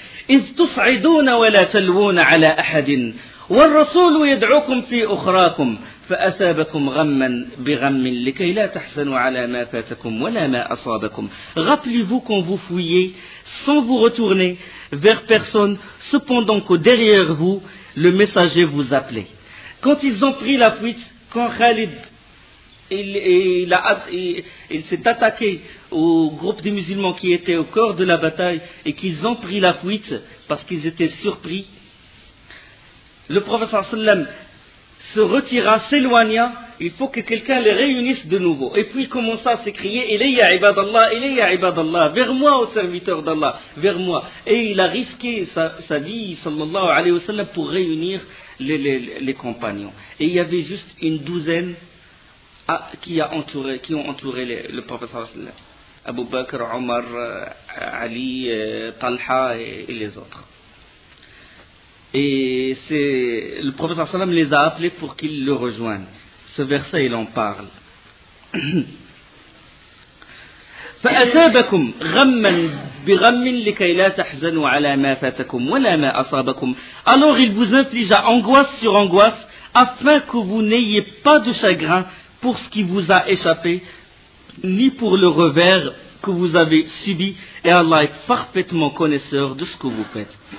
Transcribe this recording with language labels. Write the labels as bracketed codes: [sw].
[ar] إذ تصعدون ولا تلوون على أحد والرسول يدعوكم في أخراكم فأثابكم غما بغم لكي لا تحزنوا على ما فاتكم ولا ما أصابكم. [fr] Rappelez-vous quand vous fouillez sans vous retourner vers personne, cependant que derrière vous le messager vous appelait. Quand ils ont pris la fuite, quand Khalid Il s'est attaqué au groupe des musulmans qui étaient au cœur de la bataille et qu'ils ont pris la fuite parce qu'ils étaient surpris. Le prophète sallam se retira, s'éloigna. Il faut que quelqu'un les réunisse de nouveau. Et puis il commença à s'écrier, [ar] Ilayya ibadallah, Ilayya ibadallah, [fr] vers moi, ô serviteur d'Allah, vers moi. Et il a risqué sa vie, sallallahu alayhi wa sallam, pour réunir les compagnons. Et il y avait juste une douzaine qui ont entouré le prophète sallallahu alayhi wa sallam. Abu Bakr, Omar, Ali, Talha et les autres. Et c'est le prophète sallallahu alayhi wa sallam les a appelés pour qu'ils le rejoignent. Ce verset, il en parle. [ar] فأثابكم غما بغم لكي لا تحزنوا على ما فاتكم ولا ما أصابكم. [fr] Alors il vous inflige angoisse sur angoisse afin que vous n'ayez pas de chagrin pour ce qui vous a échappé, ni pour le revers que vous avez subi, et Allah est parfaitement connaisseur de ce que vous faites.